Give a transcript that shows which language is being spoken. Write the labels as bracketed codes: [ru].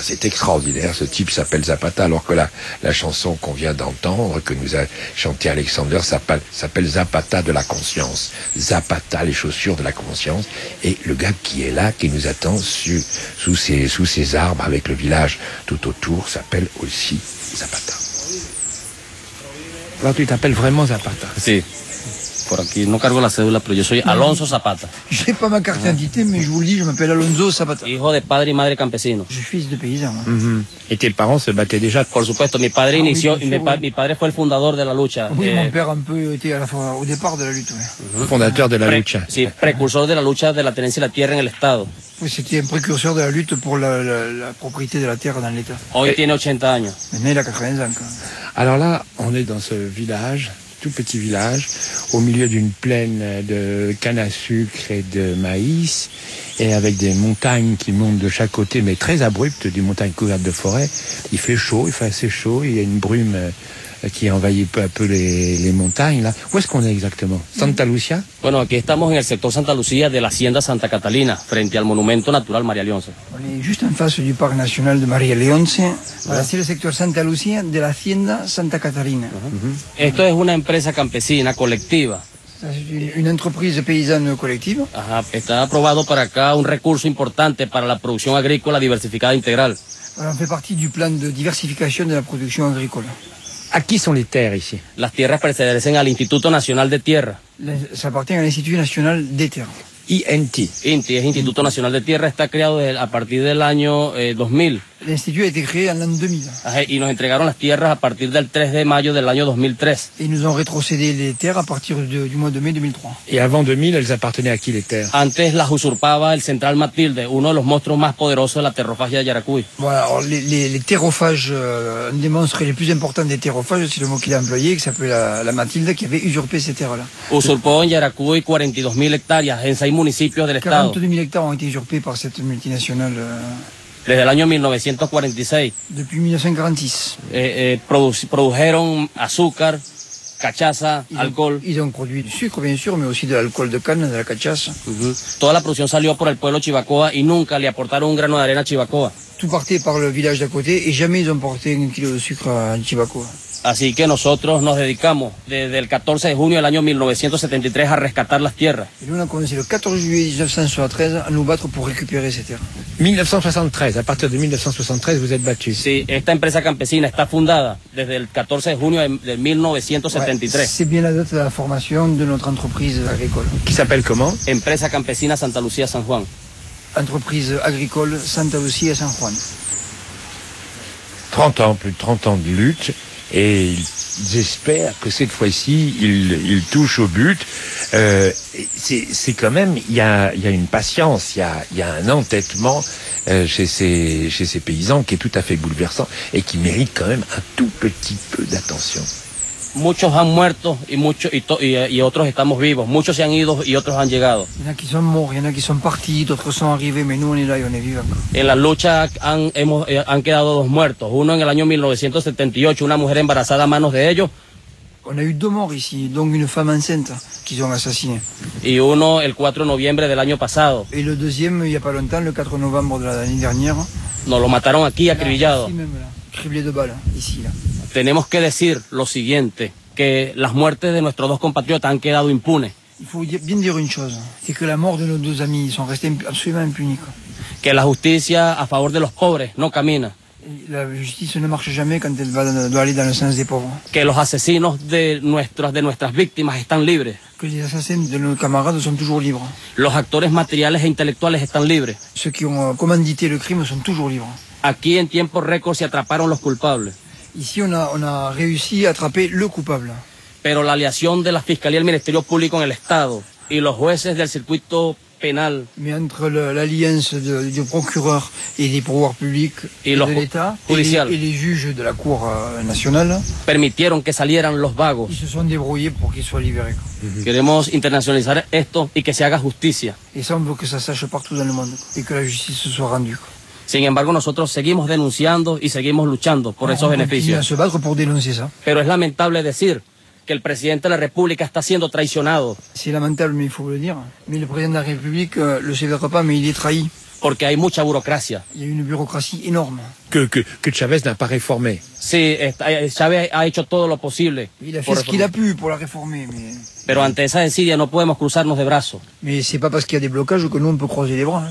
[fr] C'est extraordinaire, ce type s'appelle Zapata, alors que la chanson qu'on vient d'entendre, que nous a chanté Alexander, s'appelle Zapata de la conscience. Zapata, les chaussures de la conscience. Et le gars qui est là, qui nous attend sous ces arbres, avec le village tout autour, s'appelle aussi Zapata. Alors, tu t'appelles vraiment Zapata? [es] Si. Por aquí no cargo la cédula, pero yo soy Alonso Zapata. [fr] J'ai pas ma carte d'identité, mais je vous le dis, je m'appelle Alonso Zapata. [es] Hijo de padre y madre campesino. [fr] Je suis fils de paysan. Hein. Mm-hmm. Et tes parents se battaient déjà? [es] Por supuesto, mi padre inició, mi padre fue el fundador de la lucha. [fr] Oui, mon père un peu était à la fois au départ de la lutte. Ouais. Mm-hmm. Fondateur de la lucha. [es] Sí, precursor de la lucha de la tenencia de la tierra en el estado. [fr] Oui, c'était un précurseur de la lutte pour la propriété de la terre dans l'état. [es] Hoy tiene 80 años. [fr] Mais il a 80 ans. Alors là, on est dans ce village, tout petit village, au milieu d'une plaine de canne à sucre et de maïs, et avec des montagnes qui montent de chaque côté, mais très abruptes, des montagnes couvertes de forêt. Il fait chaud, il fait assez chaud, il y a une brume qui envahit peu à peu les montagnes, là. Où est-ce qu'on est exactement? Santa Lucia? [es] Bueno, aquí estamos en el sector Santa Lucia de la Hacienda Santa Catalina, frente al Monumento Natural María Leonce. [fr] On est juste en face du Parc National de María Leonce. Voilà. C'est le secteur Santa Lucia de la Hacienda Santa Catalina. Uh-huh. [es] Esto es una empresa campesina colectiva. [fr] Une entreprise paysanne collective. [es] Ajá, está aprobado para acá un recurso importante para la producción agrícola diversificada integral. [fr] Voilà, on fait partie du plan de diversification de la production agricole. À qui sont les terres ici? [es] Las tierras pertenecen al Instituto Nacional de Tierra. [fr] Ça appartient à l'Institut National des Terres. INT. [es] INT, es Instituto Nacional de Tierra, está creado a partir del año 2000. [fr] L'Institut a été créé en l'an 2000. [es] Y nos entregaron las tierras a partir del 3 de mayo del año 2003. [fr] Et nous ont rétrocédé les terres à partir du mois de mai 2003. Et avant 2000, elles appartenaient à qui les terres? [es] Antes las usurpaba el Central Matilde, uno de los monstruos más poderosos de la terrofagia de Yaracuy. [fr] Voilà, alors les terrofages, un des monstres les plus importants des terrofages, c'est le mot qu'il a employé, qui s'appelait la Matilde, qui avait usurpé ces terres-là. [es] Usurpó en Yaracuy 42 000 hectáreas, en 6 municipios del estado. 42 000 hectáreas han sido usurpados por esta multinacional. Desde el año 1946. [fr] Depuis 1946. [es] Produjeron azúcar, cachaza, alcohol. [fr] Ils ont produit du sucre, bien sûr, mais aussi de l'alcohol de canne, de la cachaza. Uh-huh. [es] Toda la producción salió por el pueblo Chivacoa y nunca le aportaron un grano de arena a Chivacoa. [fr] Tout partait par le village d'à côté et jamais ils ont porté un kilo de sucre à Chivacoa. [es] Así que nosotros nos dedicamos desde el 14 de junio del año 1973 a rescatar las tierras. [fr] Y nous avons commencé le 14 juillet 1973 à nous battre pour récupérer ces terres. 1973, à partir de 1973, vous êtes battus. [es] Sí, esta empresa campesina está fundada desde el 14 de junio de 1973. [fr] Ouais, c'est bien la date de la formation de notre entreprise agricole. Qui s'appelle comment? Empresa Campesina Santa Lucía San Juan. Entreprise agricole Santa Lucía San Juan. 30 ans, plus de 30 ans de lutte. Et ils espèrent que cette fois-ci, ils touchent au but. C'est quand même, il y a une patience, il y a un entêtement chez ces paysans qui est tout à fait bouleversant et qui mérite quand même un tout petit peu d'attention. [es] Muchos han muerto y otros estamos vivos. Muchos se han ido y otros han llegado. [fr] Il y en a qui sont morts, il y en a qui sont partis, d'autres sont arrivés, mais nous on est là et on est vivants. [es] En la lucha han quedado dos muertos. Uno en el año 1978, una mujer embarazada a manos de ellos. [fr] On a eu deux morts ici, donc une femme enceinte qu'ils ont assassinée. [es] Y uno el 4 de noviembre del año pasado. [fr] Et le deuxième, il n'y a pas longtemps, le 4 novembre de l'année dernière. [es] Nos lo mataron aquí, acribillado. [fr] Criblé de balles, ici, là. [es] Tenemos que decir lo siguiente, que las muertes de nuestros dos compatriotas han quedado impunes. [fr] Il faut bien dire une chose, c'est que la mort de nos deux amis sont restés absolument impunis. [es] Que la justicia a favor de los pobres no camina. [fr] La justicia no marche jamais quand elle doit aller dans le sens des pauvres. [es] Que los asesinos de nuestras víctimas están libres. [fr] Que les assassins de nos camarades sont toujours libres. [es] Los actores materiales e intelectuales están libres. [fr] Ceux qui ont commandité le crime sont toujours libres. [es] Aquí en tiempo récord se atraparon los culpables. [fr] Ici, on a réussi à attraper le coupable. [es] Pero la aliación de la Fiscalía y el Ministerio Público en el Estado y los jueces del circuito [fr] pénal. Mais entre l'alliance du procureur et des pouvoirs publics et de l'État et les juges de la Cour nationale. [es] Permitieron que salieran los vagos. [fr] Ils se sont débrouillés pour qu'ils soient libérés. Mm-hmm. [es] Queremos internacionalizar esto y que se haga justicia. [fr] Et ça, on veut que ça sache partout dans le monde et que la justice se soit rendue. [es] Sin embargo, nosotros seguimos denunciando y seguimos luchando por esos beneficios. [fr] Se bat pour dénoncer ça. [es] Pero es lamentable decir que el presidente de la República está siendo traicionado. [fr] C'est lamentable, mais il faut le dire. Mais le président de la République le sévère pas, mais il est trahi. [es] Porque hay mucha burocracia. [fr] Il y a une bureaucratie énorme. Que Chávez n'a pas réformé. [es] Sí, Chávez ha hecho todo lo posible. [fr] Il a fait ce qu'il a pu pour la réformer, mais... [es] Pero ante esa desidia no podemos cruzarnos de brazos. [fr] Mais c'est pas parce qu'il y a des blocages que nous on peut croiser les bras, hein.